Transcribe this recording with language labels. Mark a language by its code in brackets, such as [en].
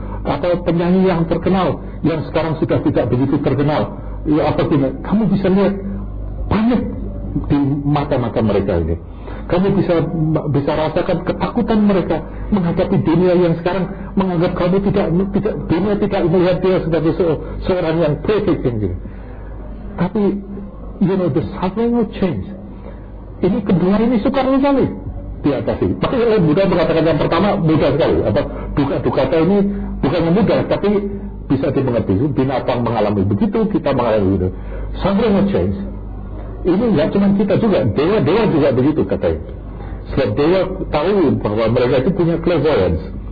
[id] atau penyanyi yang terkenal yang sekarang sudah tidak begitu terkenal, ya, apa tidak? Kamu bisa lihat panik di mata-mata mereka ini. Kamu bisa rasakan ketakutan mereka menghadapi dunia yang sekarang menganggap kamu tidak dunia tidak melihat dia sebagai seorang yang perfect ini. Tapi [en] you know the suffering will change. [id] Ini kedua ini sukar sekali diatasi. Tapi yang mudah mengatakan yang pertama mudah sekali. Apa duka-dukata ini bukan yang mudah, tapi bisa dimengerti. Binatang mengalami begitu, kita mengalami begitu. [en] Suffering will change. [id] Ini enggak cuma kita juga, dewa-dewa juga begitu katanya. Sebab dewa tahu bahwa mereka itu punya clairvoyance.